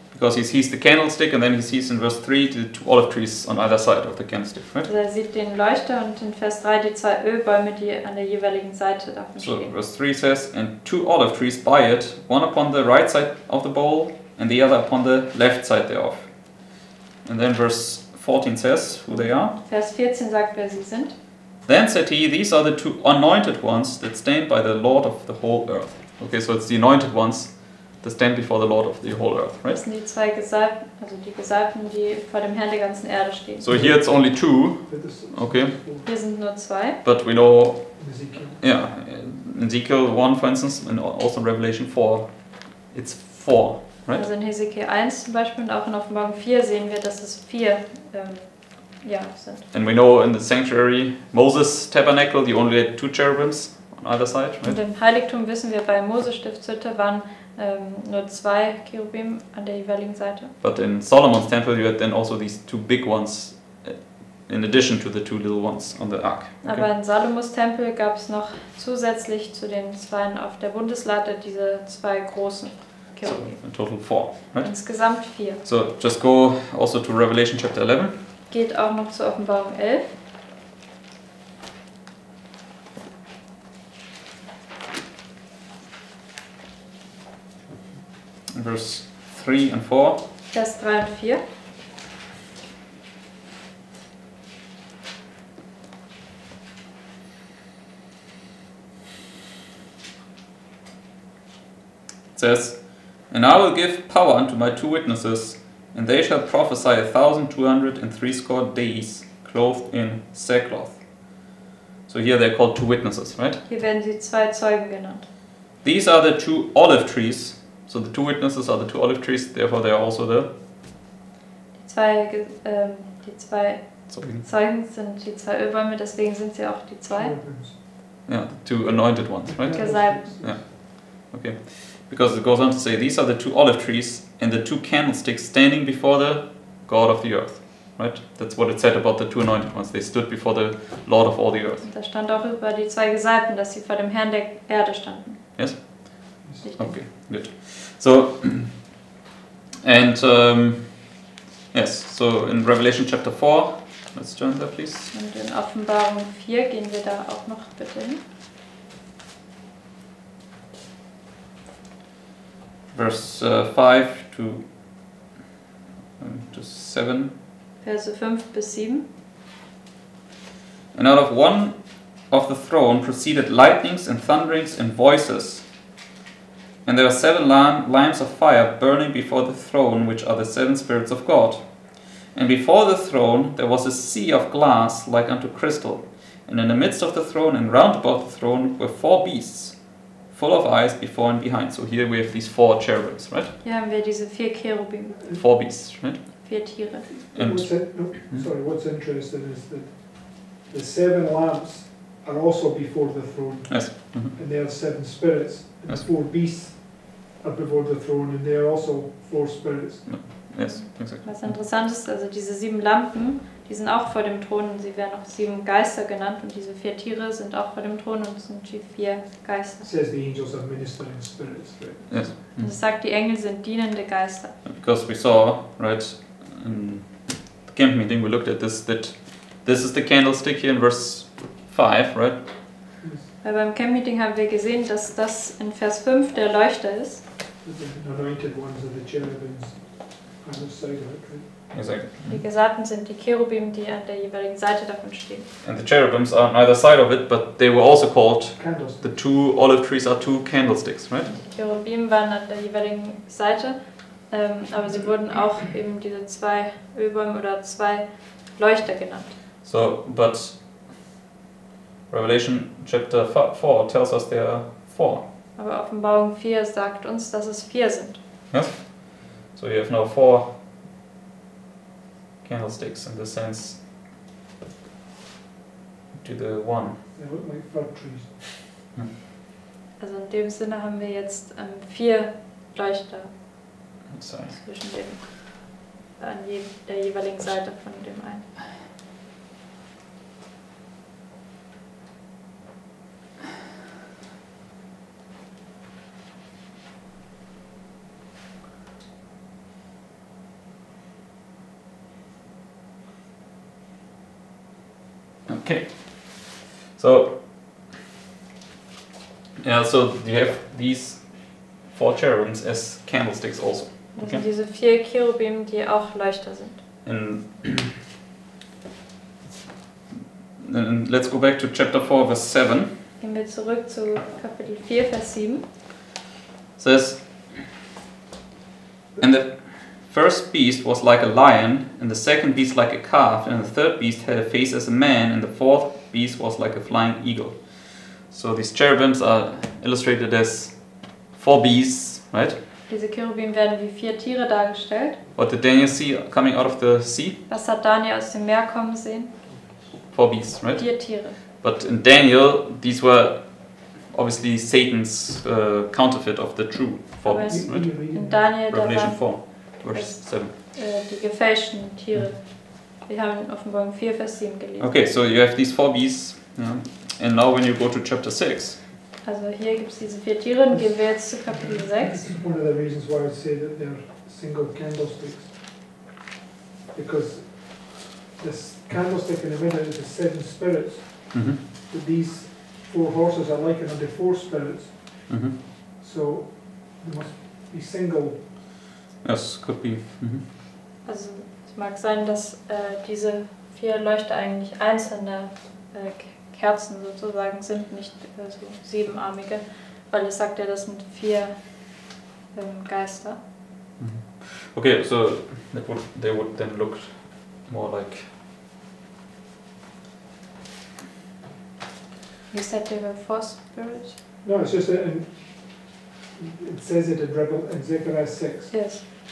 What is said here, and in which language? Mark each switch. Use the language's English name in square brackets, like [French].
[English] Because he sees the candlestick and then he sees in verse 3 the two olive trees on either side of the candlestick, right? [German] Also er sieht den Leuchter und in Vers 3 die zwei Ölbäume, die an der jeweiligen Seite davon stehen. [English] So verse 3 says, and two olive trees by it, one upon the right side of the bowl and the other upon the left side thereof. And then verse 14 says who they are. [German] Vers 14 sagt, wer sie sind. [English] Then said he, these are the two anointed ones that stand by the Lord of the whole earth. Okay, so it's the anointed ones that stand before the Lord of the whole earth, right? [German] Das sind die zwei Gesalbten, also die Gesalbten, die vor dem Herrn der ganzen Erde stehen. [English] So here it's only two, okay? [German] Hier sind nur zwei. [English] But we know, in Ezekiel 1, for instance, and also in Revelation 4, it's four, right? [German] Also in Ezekiel 1 zum Beispiel und auch in Offenbarung 4 sehen wir, dass es vier sind. [English] And we know in the sanctuary, Moses' tabernacle, the only two cherubims. On either side, right? [German] Und im Heiligtum wissen wir, bei Moses Stiftshütte waren nur zwei Cherubim an der jeweiligen Seite. [English] But in Solomon's temple you had then also these two big ones in addition to the two little ones on the ark. Okay. [German] Aber in Salomos Tempel gab es noch zusätzlich zu den zweien auf der Bundeslade diese zwei großen Cherubim. [English] So, in total four, right? [German] Insgesamt vier. [English] So, just go also to Revelation chapter 11. [German] Geht auch noch zur Offenbarung 11. [English] Verse 3 and 4. [German] Vers 3 und 4. [English] It says, and I will give power unto my two witnesses, and they shall prophesy 1,260 days, clothed in sackcloth. So here they are called two witnesses, right? [German] Hier werden sie zwei Zeugen genannt. [English] These are the two olive trees. So the two witnesses are the two olive trees, therefore they are also the... [German] Die zwei Zeugen sind die zwei Ölbäume, deswegen sind sie auch die zwei. [English] Yeah, the two anointed ones, right? [German] Gesalbten. [English] Yeah, okay. Because it goes on to say, these are the two olive trees and the two candlesticks standing before the God of the earth. Right? That's what it said about the two anointed ones. They stood before the Lord of all the earth. [German] Da stand auch über die zwei Gesalbten, dass sie vor dem Herrn der Erde standen. [English] Yes? Okay, good. So, and yes, so in Revelation chapter 4, let's turn there please. [German] Und in Offenbarung 4 gehen wir da auch noch bitte hin. [English] Verse 5 to 7. [German] Verse 5 bis 7. [English] And out of one of the throne proceeded lightnings and thunderings and voices. And there are seven lamps of fire burning before the throne, which are the seven spirits of God. And before the throne there was a sea of glass like unto crystal. And in the midst of the throne and round about the throne were four beasts, full of eyes before and behind. So here we have these four cherubims, right? [German] Hier haben wir diese vier Cherubim. [English] Four beasts, right? [German] Vier Tiere. [English] And what's interesting is that the seven lamps are also before the throne. Yes. Mm-hmm. And they are seven spirits. And yes. The four beasts are before the throne and they are also four spirits. Mm-hmm. Yes, exactly. [German] Was interessant ist, also diese sieben Lampen, die sind auch vor dem Thron und sie werden auch sieben Geister genannt und diese vier Tiere sind auch vor dem Thron und sind die vier Geister. [English] It says the angels are ministering spirits, right? Yes. Mm-hmm. [German] Und es sagt, die Engel sind dienende Geister. [English] Because we saw, right, in the camp meeting we looked at this, that this is the candlestick here in verse 5, right? Yes. [German] Weil beim Camp Meeting haben wir gesehen, dass das in Vers 5 der Leuchter ist. [English] The anointed ones are the cherubims on the side of it, right? Exactly. [German] Die Gesalbten sind die Cherubim, die an der jeweiligen Seite davon stehen. [English] And the cherubims are on either side of it, but they were also called the two olive trees are two candlesticks, right? [German] Die Cherubim waren an der jeweiligen Seite, aber sie wurden auch eben diese zwei Ölbäume oder zwei Leuchter genannt. [English] So, but Revelation chapter 4 tells us there are four. [German] Aber Offenbarung 4 sagt uns, dass es vier sind. [English] Yes. So you have now four candlesticks in the sense to the one. They look like fir trees. [German] Also in dem Sinne haben wir jetzt vier Leuchter zwischen dem an der jeweiligen Seite von dem einen. [English] Okay, so yeah, so you have these four cherubims as candlesticks also. [German] Das sind diese vier Cherubim, die auch Leuchter sind. [English] And let's go back to chapter 4, verse 7. [German] Gehen wir zurück zu Kapitel 4, Vers 7. [English] It says, and the first beast was like a lion, and the second beast like a calf, and the third beast had a face as a man, and the fourth beast was like a flying eagle. So these cherubims are illustrated as four beasts, right? [German] Diese Cherubim werden wie vier Tiere dargestellt. [English] What did Daniel see coming out of the sea? [German] Was hat Daniel aus dem Meer kommen sehen? [English] Four beasts, right? [German] Vier Tiere. [English] But in Daniel, these were obviously Satan's counterfeit of the true four [German] Aber [English] beasts, right? In Daniel, Revelation 4. Verse 7. [German] Die gefälschten Tiere. Wir haben Offenbarung 4, Vers 7 gelesen. [English] Okay, so you have these four beasts. Yeah. And now when you go to chapter 6. [German] Also hier gibt es diese vier Tiere und gehen wir jetzt zu Kapitel 6. [English] This is one of the reasons why I say that they're single candlesticks. Because this candlestick in the middle is the seven spirits. Mm-hmm. But these four horses are likened unto four spirits. Mm-hmm. So they must be single. Yes, could be. Mm-hmm. [German] Also es mag sein, dass diese vier Leuchter eigentlich einzelne Kerzen sozusagen sind, nicht so siebenarmige, weil es sagt ja, das sind vier Geister. [English] Okay, so they would then look more like... You said they were four spirits? No, it's just that it says it in Zechariah 6. Yes.